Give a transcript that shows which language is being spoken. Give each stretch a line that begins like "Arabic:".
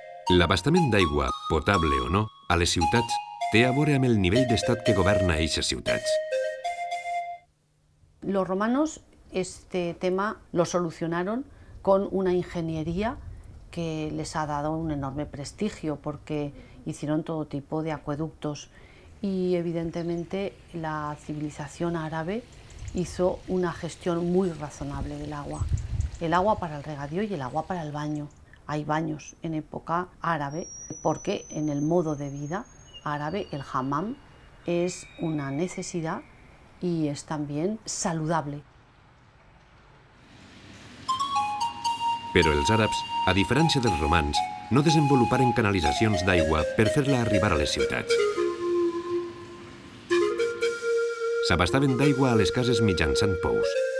Catalan: L'abastament d'aigua, potable o no, a les ciutats té a veure amb el nivell d'estat que governa eixes ciutats.
Spanish: Los romanos este tema lo solucionaron con una ingeniería que les ha dado un enorme prestigio porque hicieron todo tipo de acueductos y evidentemente la civilización árabe hizo una gestión muy razonable del agua. El agua para el regadío y el agua para el baño. Hay baños en época árabe porque en el modo de vida árabe el hammam es una necesidad y es también saludable.
Catalan: Però els àrabs, a diferència dels romans, no desenvoluparen canalitzacions d'aigua per fer-la arribar a les ciutats. S'abastaven d'aigua a les cases mitjançant pous.